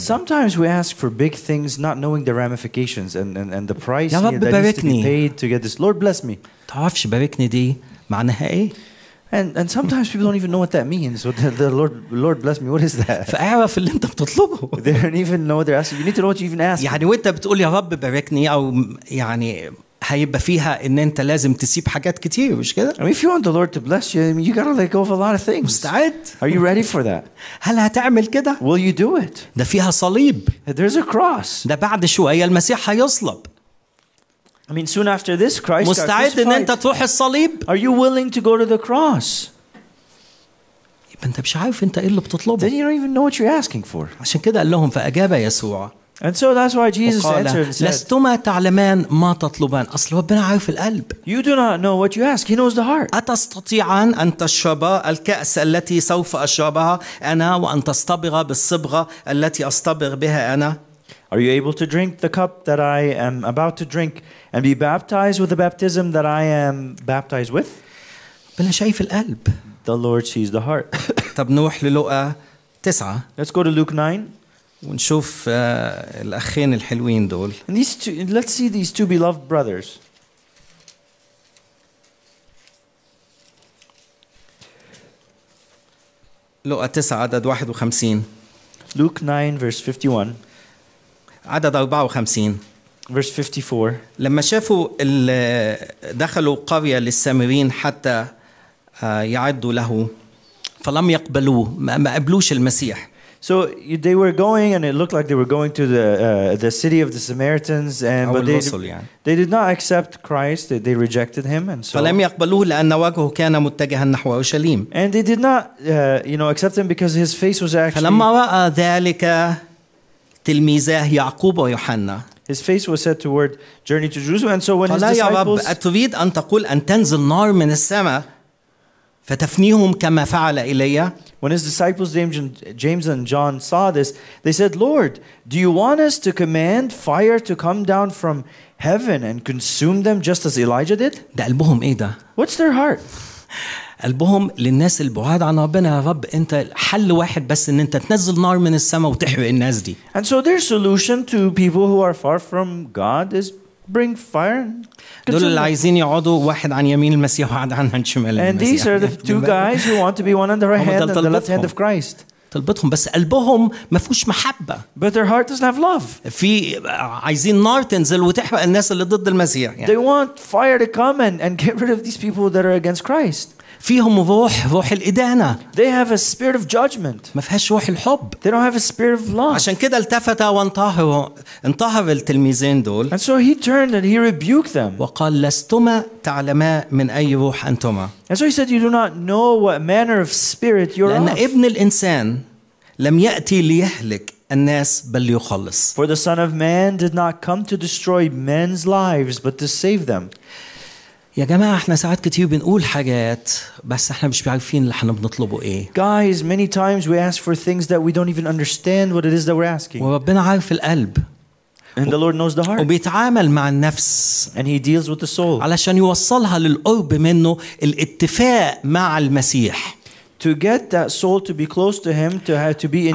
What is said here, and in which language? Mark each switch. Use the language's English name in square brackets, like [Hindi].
[English] Sometimes we ask for big things not knowing the ramifications and the price that باركني. Needs to be paid to get this. Lord bless me. [Arabic] تعرفش باركني دي معناها ايه؟ [English] And sometimes people don't even know what that means. What the Lord bless me. What is that? [Arabic] فاعرف اللي انت بتطلبه. [English] They don't even know what they're asking. You need to know what you even ask. [Arabic] يعني وانت بتقول يا رب باركني او يعني هيبقى فيها ان انت لازم تسيب حاجات كتير مش كده؟ [English] I mean, if you want the Lord to bless you, I mean, you gotta let go of a lot of things. [Arabic] مستعد؟ [English] Are you ready for that? [Arabic] هل هتعمل كده؟ [English] Will you do it? [Arabic] ده فيها صليب. [English] There's a cross. [Arabic] ده بعد شويه المسيح هيصلب. [English] I mean, soon after this, Christ got crucified. [Arabic] مستعد ان انت تروح الصليب؟ [English] Are you willing to go to the cross? [Arabic] يبقى انت مش عارف انت ايه اللي بتطلبه. [English] Then you don't even know what you're asking for. [Arabic] عشان كده قال لهم فاجاب يسوع. [English] And so that's why Jesus answered and said, [Arabic] لستما تعلمان ما تطلبان. أصل ربنا عارف القلب. [English] You do not know what you ask. He knows the heart. [Arabic] أتستطيعان أن تشربا الكأس التي سوف أشربها أنا وأن تصطبغا بالصبغة التي أصطبغ بها أنا؟ [English] Are you able to drink the cup that I am about to drink and be baptized with the baptism that I am baptized with? [Arabic] ربنا شايف القلب. [English] The Lord sees the heart. [Arabic] طب نروح للوقا 9. [English] Let's go to Luke 9. [Arabic] ونشوف الأخين الحلوين دول. [English] And these two, let's see these two beloved brothers. [Arabic] لوقا 9 عدد 51. [English] Luke 9 verse 51. [Arabic] عدد 54. [English] Verse 54. [Arabic] لما شافوا دخلوا قرية للسامرين حتى يعدوا له فلم يقبلوه ما قبلوش المسيح. [English] So they were going, and it looked like they were going to the city of the Samaritans, and but they did not accept Christ; they rejected him, and so. [Arabic] فلم يقبلوه لأن وجهه كان متجها نحو أورشليم. [English] And they did not, accept him because his face was actually. [Arabic] فلما رأى ذلك تلميذاه يعقوب ويوحنا. [English] His face was set toward journey to Jerusalem, and so when his disciples. [Arabic] فلا يا رب أتريد أن تقول أن تنزل نار من السماء. فتفنيهم كما فعل إليا. [English] When his disciples James and John saw this, they said, "Lord, do you want us to command fire to come down from heaven and consume them just as Elijah did?" [Arabic] ده قلبهم إيه ده؟ [English] What's their heart? [Arabic] قلبهم للناس البعاد عن ربنا يا رب أنت حل واحد بس إن أنت تنزل نار من السماء وتحرق الناس دي. [English] And so their solution to people who are far from God is bring fire. [Arabic] دول اللي عايزين يقعدوا واحد عن يمين المسيح واحد عن شمال المسيح. [English] And these are the two guys who want to be one on the right hand and the left hand of Christ. [Arabic] طلبتهم بس قلبهم ما فيهوش محبة. [English] But their heart doesn't have love. [Arabic] في عايزين نار تنزل وتحرق الناس اللي ضد المسيح. [English] They want fire to come and get rid of these people that are against Christ. [Arabic] فيهم روح الإدانة. [English] They have a spirit of judgment. [Arabic] ما فيهاش روح الحب. [English] They don't have a spirit of love. [Arabic] عشان كده التفت وانطهر التلميذين دول. [English] And so he turned and he rebuked them. [Arabic] وقال لستما تعلما من أي روح أنتما. [English] And so he said, you do not know what manner of spirit you're [Arabic] لأن [English] of. [Arabic] لأن ابن الإنسان لم يأتي ليهلك الناس بل ليخلص. [English] For the Son of Man did not come to destroy men's lives but to save them. [Arabic] يا جماعة احنا ساعات كتير بنقول حاجات بس احنا مش عارفين اللي احنا بنطلبه ايه. [English] Guys, many times we ask for things that we don't even understand what it is that we're asking. [Arabic] وربنا عارف القلب. [English] And the Lord knows the heart. [Arabic] وبيتعامل مع النفس. [English] And he deals with the soul. [Arabic] علشان يوصلها للقرب منه الاتفاق مع المسيح. [English] To get that soul to be close to him, to have to be in.